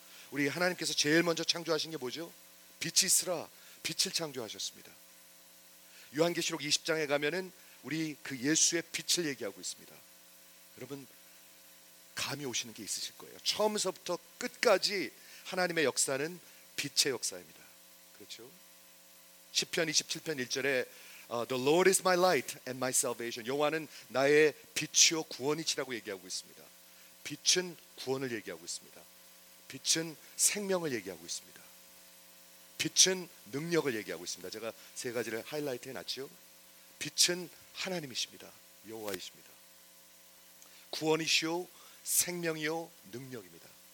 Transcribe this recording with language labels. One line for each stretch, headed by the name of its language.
Korean: 우리 하나님께서 제일 먼저 창조하신 게 뭐죠? 빛이 있으라 빛을 창조하셨습니다. 요한계시록 20장에 가면은 우리 그 예수의 빛을 얘기하고 있습니다. 여러분 감이 오시는 게 있으실 거예요. 처음서부터 끝까지 하나님의 역사는 빛의 역사입니다. 그렇죠? 시편 27편 1절에
English: The Lord is my light and my salvation.
Korean: 여호와는 나의 빛이요 구원이시라고 얘기하고 있습니다. 빛은 구원을 얘기하고 있습니다. 빛은 생명을 얘기하고 있습니다. 빛은 능력을 얘기하고 있습니다. 제가 세 가지를 하이라이트 해놨죠. 빛은 하나님이십니다. 여호와이십니다. 구원이시요 생명이요 능력입니다.